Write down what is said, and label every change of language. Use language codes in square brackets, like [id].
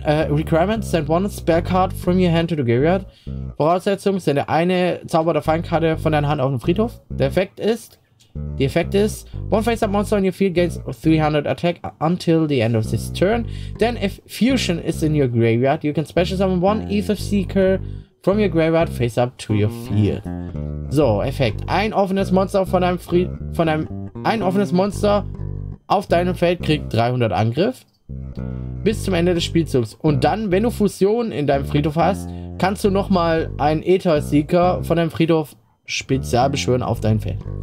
[en] Requirement, send one spell card from your hand to the graveyard. [de] Voraussetzung, sende eine Zauber- oder Feindkarte von deiner Hand auf den Friedhof. Der Effekt ist, [en] one face-up monster on your field gains 300 attack until the end of this turn. Then if fusion is in your graveyard, you can special summon one Aether Seeker from your graveyard face-up to your field. [de] So, Effekt, ein offenes Monster auf deinem Feld kriegt 300 Angriff. Bis zum Ende des Spielzugs. Und dann, wenn du Fusion in deinem Friedhof hast, kannst du nochmal einen Aether-Seeker von deinem Friedhof spezial beschwören auf dein Feld.